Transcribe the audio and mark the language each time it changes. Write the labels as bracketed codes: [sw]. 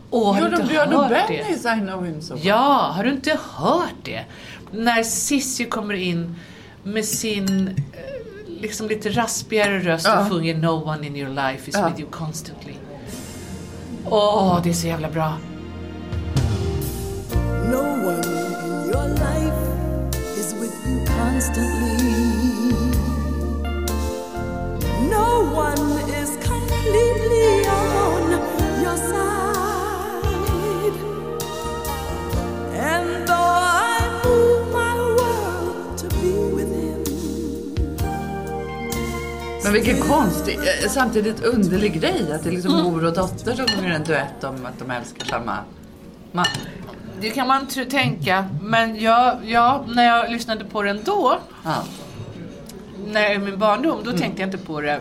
[sv] Och har du inte hört det? Bennys, I Know Him So Well. Ja, har du inte hört det? När Sissy kommer in med sin liksom lite raspigare röst och sjunger [en] No One In Your Life Is With You Constantly. [sv] Åh, det är så jävla bra. [en] No one in your life is with you constantly. No one is completely on your side. And though I move my world to be with him. [sv] Men vilken konstig, samtidigt underlig grej att det är liksom mor och dotter som går en duett om att de älskar samma man. det kan man tänka. Men jag, när jag lyssnade på den då, när i min barndom, då tänkte jag inte på det.